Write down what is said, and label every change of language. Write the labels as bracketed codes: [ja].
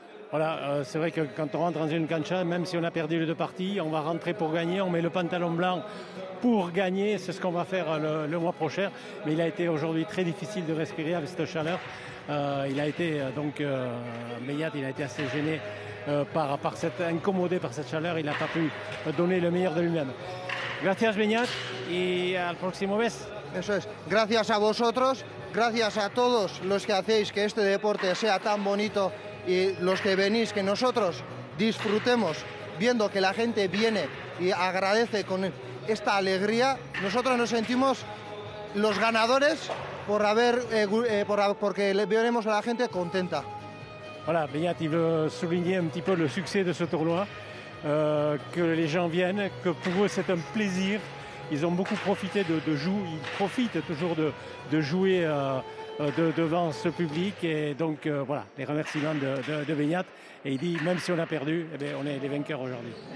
[fr] Voilà, c'est vrai que quand on rentre dans une cancha, même si on a perdu les deux parties, on va rentrer pour gagner, on met le pantalon blanc pour gagner, c'est ce qu'on va faire le mois prochain. Mais il a été aujourd'hui très difficile de respirer avec cette chaleur. Il a été assez gêné incommodé par cette chaleur, il n'a pas pu donner le meilleur de lui-même. [es] Gracias, [fr] Beñat, et à la prochaine fois. [es] Eso es. Gracias a vosotros, gracias a todos los que hacéis que este deporte sea tan bonito. Y los que venís, que nosotros disfrutemos viendo que la gente viene y agradece con esta alegría, nosotros nos sentimos los ganadores porque veremos a la gente contenta. [fr] Voilà, Beñat, il veut souligner un petit peu le succès de ce tournoi, que les gens viennent, que pour eux c'est un plaisir, ils ont beaucoup profité ils profitent toujours de jouer devant ce public, et donc voilà les remerciements de Beñat, et il dit même si on a perdu, eh bien, on est les vainqueurs aujourd'hui.